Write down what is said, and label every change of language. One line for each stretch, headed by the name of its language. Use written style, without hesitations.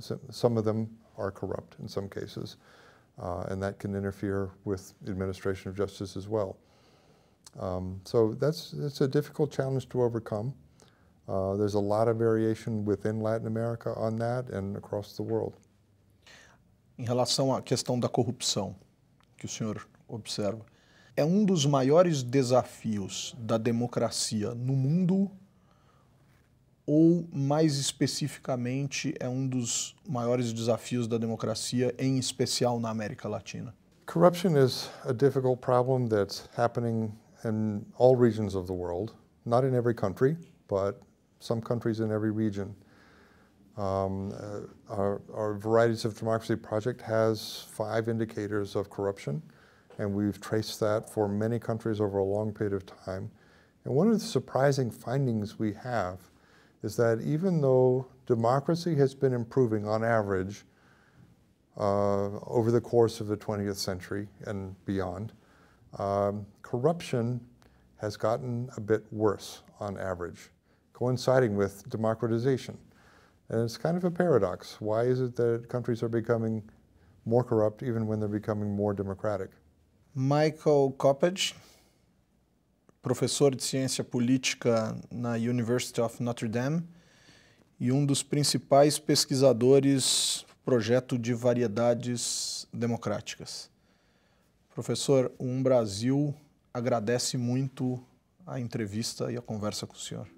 English: Some of them are corrupt in some cases. And that can interfere with the administration of justice as well. So that's a difficult challenge to overcome. There's a lot of variation within Latin America on that and across the world.
Portuguese: Em relação à questão da corrupção que o senhor observa, é um dos maiores desafios da democracia no mundo ou, mais especificamente, é um dos maiores desafios da democracia, em especial na América Latina?
English: Corruption is a difficult problem that's happening in all regions of the world, not in every country, but some countries in every region. Our Varieties of Democracy project has 5 indicators of corruption, and we've traced that for many countries over a long period of time. And one of the surprising findings we have is that even though democracy has been improving on average over the course of the 20th century and beyond, corruption has gotten a bit worse on average, coinciding with democratization. And it's kind of a paradox. Why is it that countries are becoming more corrupt even when they're becoming more democratic?
Portuguese: Michael Coppedge, professor de ciência política na University of Notre Dame e um dos principais pesquisadores do Projeto de Variedades Democráticas. Professor, o UM BRASIL agradece muito a entrevista e a conversa com o senhor.